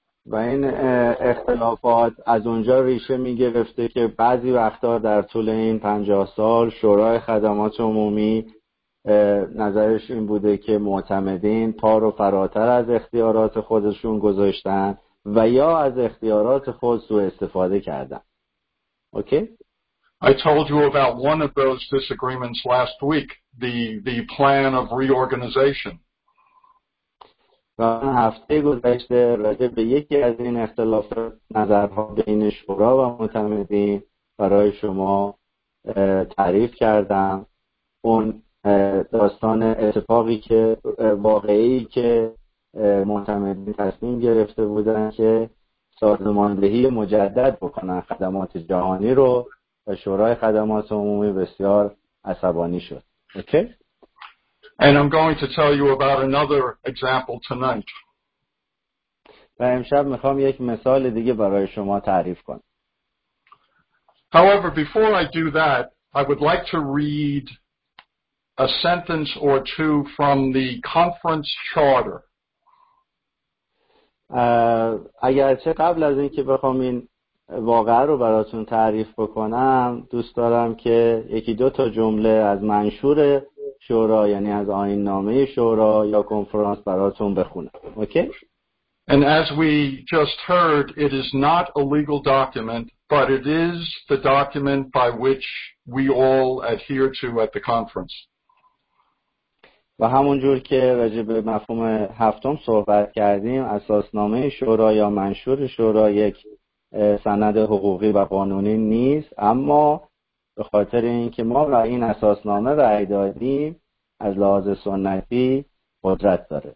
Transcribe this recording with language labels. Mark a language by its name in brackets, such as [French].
[Persian] و این اختلافات از اونجا ریشه می گرفته که بعضی وقتا در طول این 50 سال شورای خدمات عمومی نظرش این بوده که معتمدین پا رو فراتر از اختیارات خودشون گذاشتن و یا از اختیارات خود سوء استفاده کردن. [English] Okay? I told you about one of those disagreements last week, the plan of reorganization. [Persian] و هفته گذشته راجع به یکی از این اختلاف نظرها بین شورا و معتمدین برای شما تعریف کردم، اون داستان اتفاقی که واقعی که معتمدین تصمیم گرفته بودن که سازماندهی مجدد بکنن خدمات جهانی رو و شورای خدمات عمومی بسیار عصبانی شد. [English] Okay? And I'm going to tell you about another example tonight. [Persian] و امشب میخوام یک مثال دیگه برای شما تعریف کنم. [English] However, before I do that, I would like to read a sentence or two from the conference charter. [Persian] اگرچه قبل از اینکه بخوام این واقعه رو براتون تعریف بکنم، دوست دارم که یکی دو تا جمله از منشور شورا یعنی از آیین نامه شورا یا کنفرانس براتون بخونم. [English] Okay? And as we just heard, it is not a legal document, but it is the document by which we all adhere to at the conference. [Persian] و همون جور که راجع به مفهوم هفتم صحبت کردیم، اساسنامه شورا یا منشور شورا یک سند حقوقی و قانونی نیست، اما به خاطر اینکه ما را این اساسنامه رأی دادیم از لحاظ سنتی قدرت داره.